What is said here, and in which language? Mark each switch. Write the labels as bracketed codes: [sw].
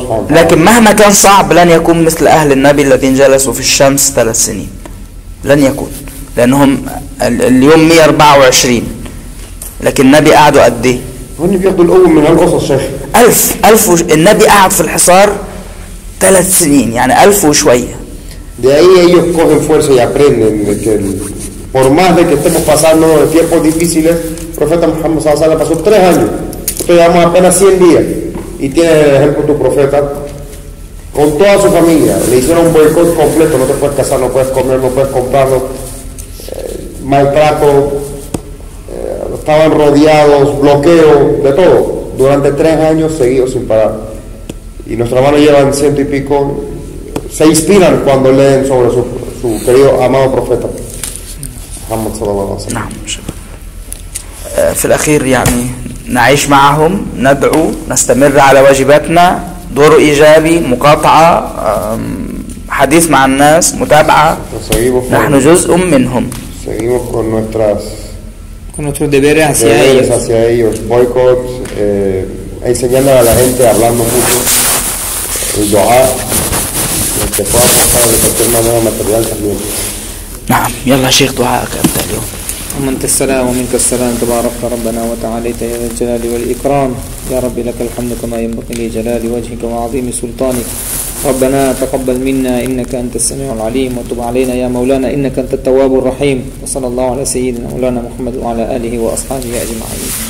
[ar] لكن مهما كان صعب لن يكون مثل اهل النبي الذين جلسوا في الشمس 3 سنين، لن يكون، لانهم اليوم 124، لكن النبي قعدوا قد ايه؟ هن بياخذوا الاول من هالقصص شيخ. 1000 1000 النبي قعد في الحصار 3 سنين، يعني 1000 وشوية. [es] De ahí ellos cogen fuerza y aprenden de que por más de que estemos pasando de tiempos difíciles, profeta Muhammad [ar] صلى الله عليه وسلم [es] pasó 3 años. Entonces llevamos apenas 100 días. Y tienes el ejemplo de tu profeta con toda su familia. Le hicieron un boicot completo. No te puedes casar, no puedes comer, no puedes comprarlo. Maltrato. Estaban rodeados, bloqueo, de todo, durante 3 años seguidos sin parar. Y nuestros hermanos llevan 100 y pico, se inspiran cuando leen sobre su querido amado profeta. [ar] Muhammad sallallahu alaihi wasallam. نعم في الأخير يعني نعيش معهم، ندعو، نستمر على واجباتنا، دور إيجابي، مقاطعة، حديث مع الناس، متابعة. نحن جزء منهم. [es] Seguimos con nuestras con nuestros deberes hacia ellos. Hacia ellos, boicot, enseñando a la gente, hablando mucho, el dua, que puedan pasar de cualquier manera material también. [ar] نعم يلا شيخ دعاءك انت اليوم. ومنك السلام ومنك السلام تبارك ربنا وتعاليت يا ذا الجلال والإكرام، يا ربي لك الحمد كما ينبغي لجلال وجهك وعظيم سلطانك. ربنا تقبل منا إنك أنت السميع العليم، وتب علينا يا مولانا إنك أنت التواب الرحيم، وصلى الله على سيدنا مولانا محمد وعلى آله وأصحابه أجمعين.